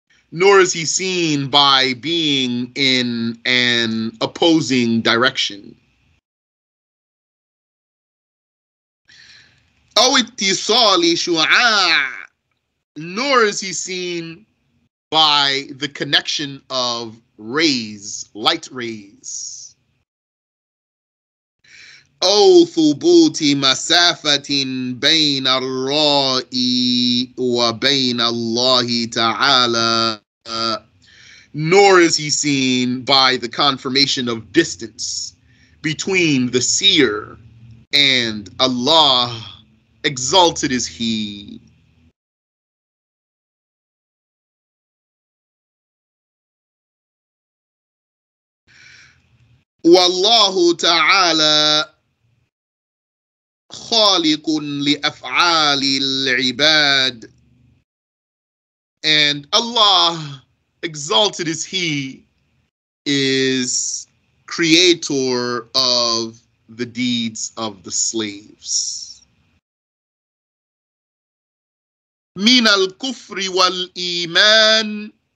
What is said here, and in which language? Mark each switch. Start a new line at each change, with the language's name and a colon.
English: Nor is he seen by being in an opposing direction.
Arabic: أو اتصال شعاع.
English: Nor is he seen by the connection of rays, light rays.
Arabic: O ثبوت مسافة بين الرأي وبين الله تعالى.
English: Nor is he seen by the confirmation of distance between the seer and Allah, exalted is he.
Arabic: والله تعالى خالق لأفعال العباد.
English: And Allah, exalted is he, is creator of the deeds of the slaves.
Arabic: من الكفر والإيمان.